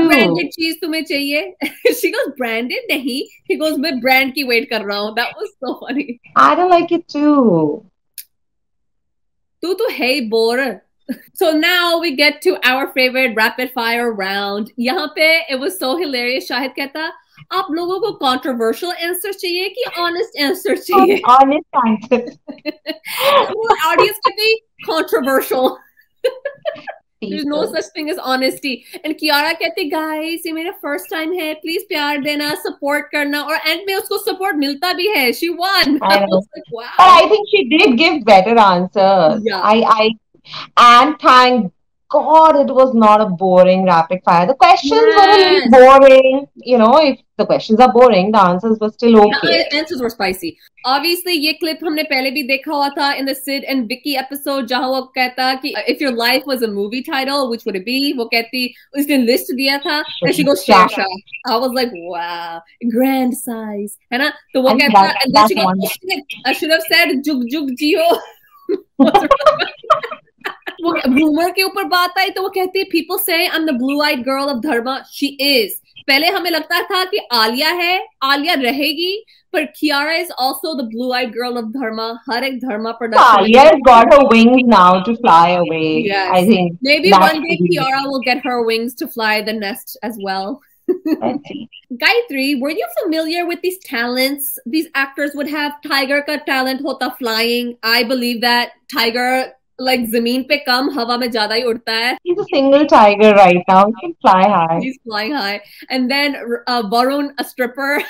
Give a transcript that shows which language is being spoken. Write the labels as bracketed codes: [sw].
[en] branded cheese [hi] tumhe chahiye?" [en] She goes, "Branded [hi] nahi." [en] He goes, [hi] "Main brand ki wait kar raha hu." [en] That was so funny. I don't like it too. [hi] Tu to hai bore. [en] So now we get to our favorite rapid fire round. [hi] Yahan pe [en] it was so hilarious. [hi] Shahid kehta, आप लोगों को controversial answer चाहिए कि honest answer चाहिए? Honest answer. Audience के लिए controversial. [en] There's no such thing as honesty. And Kiara [hi] कहती, [en] guys, [hi] ये मेरा [en] first time [hi] है. [en] Please [hi] प्यार देना, support करना. और end में उसको support मिलता भी है. [en] She won. I was like, wow. But I think she did give better answers. Yeah. I and thank God it was not a boring rapid fire. The questions yes. were a little boring. You know, if the questions are boring, the answers were still okay. Yeah, answers were spicy. Obviously, [hi] ye clip humne pehle bhi dekha hua tha [en] in the Sid and Vicky episode, [hi] jahan wo kehta ki [en] if your life was a movie title, which would it be? [hi] Wo kehti usne list diya tha, [en] and she goes Shasha. I was like, wow, grand size. [hi] Hena? To wo kehta, [en] and then she goes, I should have said Jug Jug Jio. [hi] Rumor ke upar baat aayi to wo kehti hai, [en] people say I'm the blue eyed girl of Dharma. She is. [hi] पहले हमें लगता था कि आलिया है, आलिया रहेगी, पर Kiara [en] Is also the blue eyed girl of Dharma. [hi] हर एक धर्मा production. [en] Alia has got her wings now to fly away. I think maybe one day Kiara will get her wings to fly the nest as well. Gayatri, were you familiar with these talents? These actors would have tiger ka talent hota flying. I believe that tiger like [hi] zameen pe kam hawa mein zyada hi udta hai. [en] He's a single tiger right now. He can fly high. He's flying high. And then Varun, a stripper.